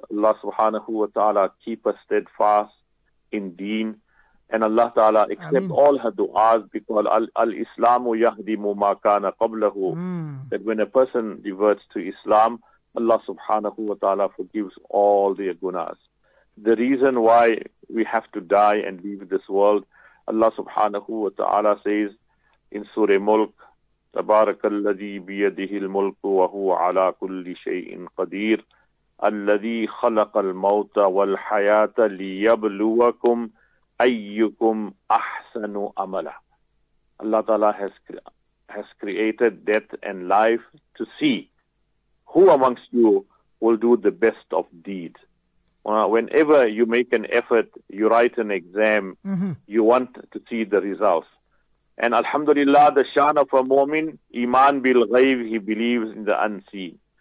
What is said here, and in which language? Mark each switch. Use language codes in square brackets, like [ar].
[en] Allah Subhanahu wa Ta'ala keep us steadfast in deen. And Allah Ta'ala accept Ameen. All her du'as, because [ar] al-Islamu yahdimu ma kana qablahu. [en] That when a person reverts to Islam, Allah Subhanahu wa Ta'ala forgives all their gunas. The reason why we have to die and leave this world, Allah Subhanahu wa Ta'ala says in Surah Mulk, [ar] تبارك الذي بيده الملك وهو على كل شيء قدير الذي خلق الموت والحياة ليبلوكم أيكم أحسن عملا. [en] Allah Ta'ala has created death and life to see who amongst you will do the best of deed. Whenever you make an effort, you write an exam, you want to see the results. And alhamdulillah, the shan of a mu'min, iman bil ghayb, he believes in the unseen.